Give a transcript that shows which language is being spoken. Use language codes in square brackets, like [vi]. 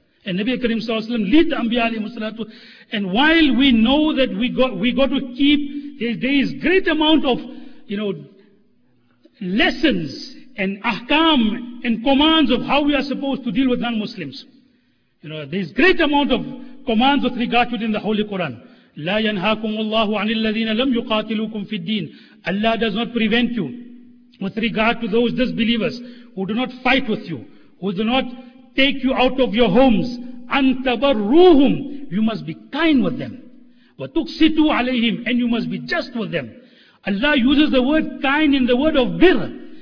[en] And Nabi Kareem sallallahu alayhi wa sallam lead the Anbiya alayhi wa sallam. And while we know that we got to keep, there is great amount of, you know, lessons and ahkam and commands of how we are supposed to deal with non-Muslims. You know, there is great amount of commands with regard to it in the Holy Quran. [ar] لا ينهاكم الله عن الذين لم يقاتلوكم في الدين. [en] Allah does not prevent you with regard to those disbelievers who do not fight with you, who do not take you out of your homes. [ar] أنتبروهم. [en] You must be kind with them. [ar] وتقسطوا عليهم. [en] And you must be just with them. Allah uses the word kind in the word of bir.